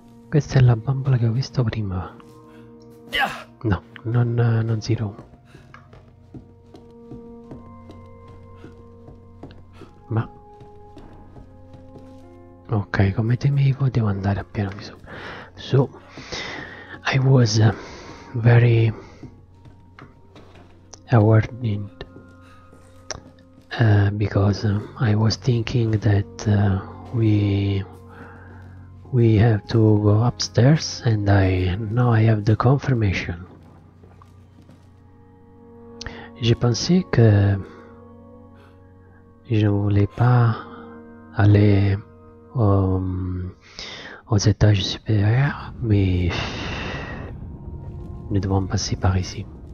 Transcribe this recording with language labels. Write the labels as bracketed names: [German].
[Italian] Questa è la bambola che ho visto prima. No, non si rompe. Ma... ok, come temevo, devo andare a piano di su. [English] So, I was very awarded because I was thinking that we have to go upstairs, and now I have the confirmation. [French] Je pensais que je ne voulais pas aller aux étages supérieurs, mais nous devons passer par ici.